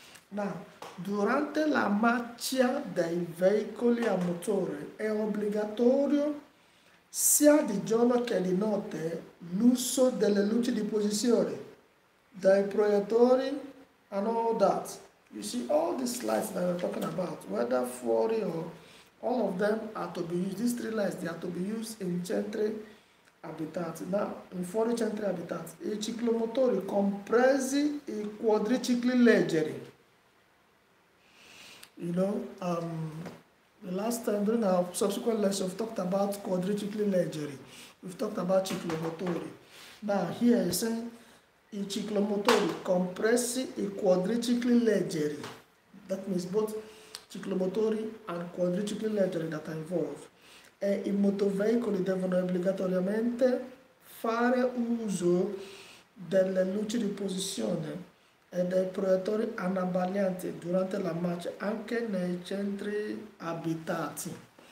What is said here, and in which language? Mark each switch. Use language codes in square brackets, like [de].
[it] Now, durante la marcia dei veicoli a motore è obbligatorio sia di giorno che di notte l'uso delle luci di posizione, dei proiettori [en] and all that. You see, all these lights that we're talking about, whether fuori or all of them are to be used. These three lights, they are to be used in [it] centri abitati. Now, in fuori centri abitati, i ciclomotori compresi i quadricicli leggeri. [en] You know, the last time during our subsequent lesson, we've talked about [it] quadricicli leggeri. [en] We've talked about ciclomotori. Now, here you're saying, [it] i ciclomotori compresi i quadricicli leggeri. [en] That means both ciclomotori and [it] quadricicli leggeri [en] that are involved. [it] E i motoveicoli devono obbligatoriamente fare uso delle luci di posizione e dei proiettori anabaglianti durante la marcia anche nei centri abitati.